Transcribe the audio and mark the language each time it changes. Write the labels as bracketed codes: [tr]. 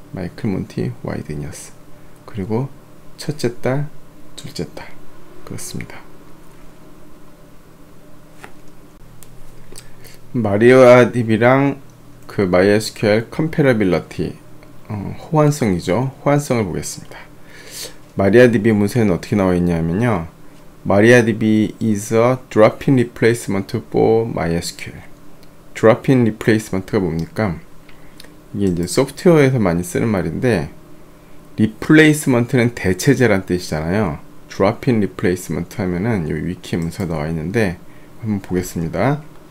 [ko] 마이클 몬티 와이드니어스. 그리고 첫째 딸, 둘째 딸. 그렇습니다. 마리아디비랑 그 MySQL 컴패러빌리티, 호환성이죠. 호환성을 보겠습니다. 마리아디비 문서에는 어떻게 나와 있냐면요. [en] MariaDB is a drop-in replacement for MySQL. [ko] drop-in replacement가 뭡니까? 이게 이제 소프트웨어에서 많이 쓰는 말인데, replacement는 대체제란 뜻이잖아요. drop-in replacement 하면은 요 위키 문서 나와 있는데 한번 보겠습니다.